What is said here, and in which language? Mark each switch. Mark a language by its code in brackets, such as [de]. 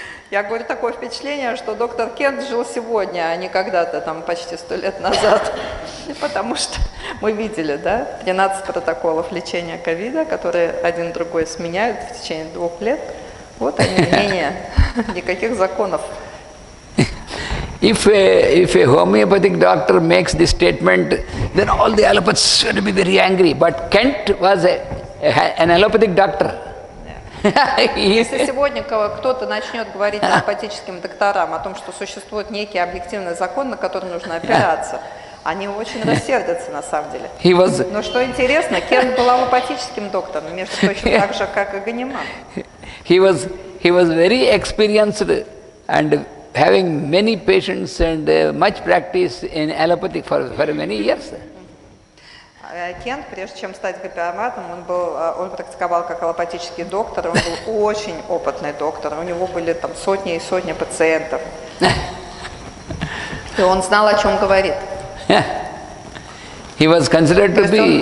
[ru] Я говорю такое впечатление, что доктор Кент жил сегодня, а не когда-то там почти 100 лет назад. Потому что мы видели, да, 13 протоколов лечения ковида, которые один другой сменяют в течение 2 лет. Вот они, мнения, никаких законов. [en] If a homeopathic doctor makes this statement, then all the allopaths should be very angry. But Kent was an allopathic doctor. [ru] Если сегодня кто-то начнет говорить аллопатическим докторам о том, что существует некий объективный закон, на который нужно опираться, они очень рассердятся на самом деле. Но что интересно, Кент был аллопатическим доктором, между прочим, так же, как и Ганиман. [en] He was very experienced and having many patients and much practice in allopathy for many years. [ru] Кент, прежде чем стать гомеопатом, он практиковал как аллопатический доктор, он был очень опытный доктор, у него были там сотни и сотни пациентов. И он знал, о чем говорит. [en] He was considered to be...